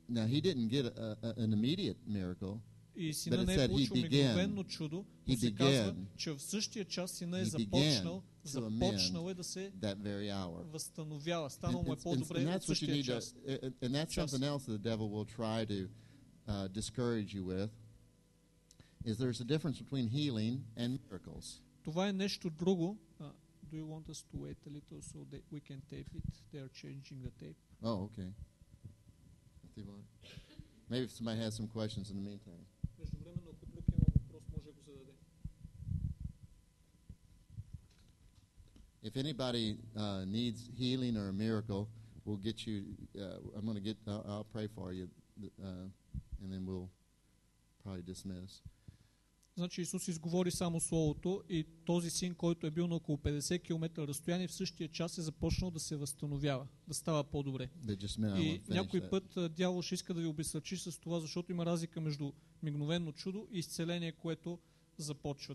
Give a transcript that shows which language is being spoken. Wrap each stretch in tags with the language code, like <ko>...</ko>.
<en>Now he didn't get an immediate miracle.</en> <bg>И сина не е получил мигновено чудо, но се казва, че в същия час сина е започнал е да се възстановява. Станал му е по-добре в същия час.</bg> <en>And that's something else the devil will try to discourage you with. Is there's a difference between healing and miracles?</en> <bg>Това е нещо друго.</bg> <en>Do you want us to wait a little so that we can tape it? They are changing the tape. Oh, okay. Maybe if somebody has some questions in the meantime.</en> <bg>Междувременно, ако друг има въпрос, може да го зададе.</bg> <en>If anybody needs healing or a miracle, we'll get you. I'll pray for you, and then we'll probably dismiss.</en> <bg>Значи Исус изговори само Словото и този син, който е бил на около 50 км разстояние, в същия час е започнал да се възстановява, да става по-добре. И някой път дявол ще иска да ви обесърчи с това, защото има разлика между мигновено чудо и изцеление, което започва.</bg>